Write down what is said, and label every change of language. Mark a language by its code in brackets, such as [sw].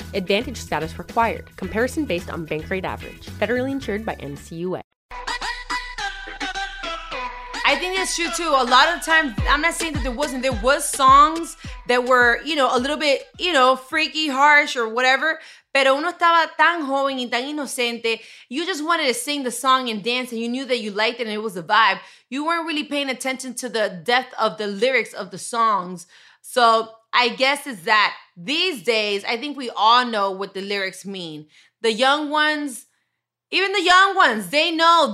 [en] Advantage status required. Comparison based on bank rate average. Federally insured by NCUA. I think that's true too. A lot of times, I'm not saying that there wasn't, there was songs that were, you know, a little bit, you know, freaky, harsh or whatever. [es] Pero uno estaba tan joven y tan inocente. [en] You just wanted to sing the song and dance and you knew that you liked it and it was a vibe. You weren't really paying attention to the depth of the lyrics of the songs. So I guess it's that these days, I think we all know what the lyrics mean. The young ones, even the young ones, they know.